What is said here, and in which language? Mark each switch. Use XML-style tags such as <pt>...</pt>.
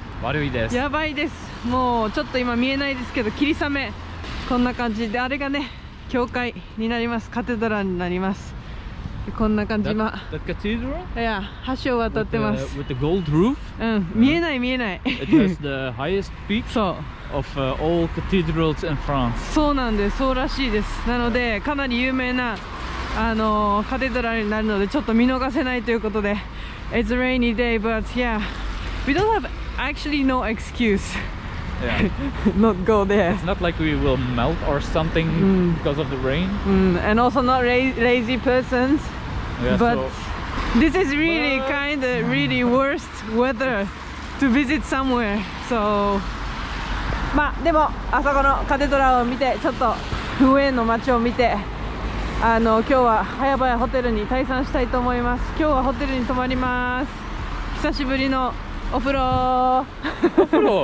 <ja>悪いです。やばいです。もうちょっと今見えないですけど、霧雨。こんな感じで、あれがね、教会になります。カテドラになります。こんな感じ、今。</ja> <en>The cathedral?</en> <ja>Yeah, 橋を渡ってます。</ja> <en>With the gold roof?</en> <ja>うん、見えない見えない。</ja> <en>It has the highest peak of all cathedrals in France.</en> <ja>そうなんです、そうらしいです。</ja> <en>なので、かなり有名な、カテドラルになるのでちょっと見逃せないということで、 It's a rainy day, but yeah, we don't have actually no excuse、 yeah. not go there. It's not like we will melt or something、mm. because of the rain、 mm. and also not lazy persons, yeah, but so, this is really kind of really worst weather to visit somewhere.</en> <ja>So, まあでも朝このカテドラルを見て、ちょっとルエーの街を見て、今日は早々ホテルに退散したいと思います。今日はホテルに泊まります。久しぶりのお風呂。お風呂。</ja>